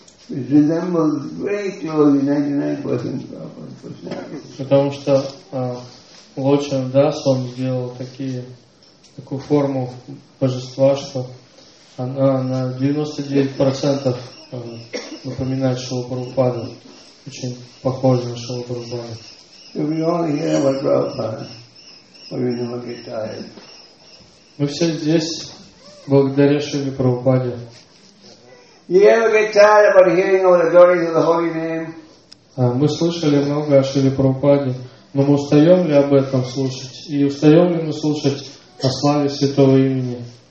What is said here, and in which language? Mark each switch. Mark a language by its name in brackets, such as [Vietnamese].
[English] It resembles very closely 99% Prabhupada's [Russian] Потому что Лочан Дас, он сделал такую форму божества, что она на 99% напоминает Шрилу Прабхупаду. Очень похожа на Шрилу Прабхупаду. [English] If we only hear about Prabhupada, we never get tired. [Russian] Мы все здесь благодаря Шриле Прабхупаде. [English] You ever get tired about hearing all the glories of the holy name? [Russian] Мы слышали много о Шриле Прабхупаде, но мы устаем ли об этом слушать? И устаем ли мы слушать о славе святого имени?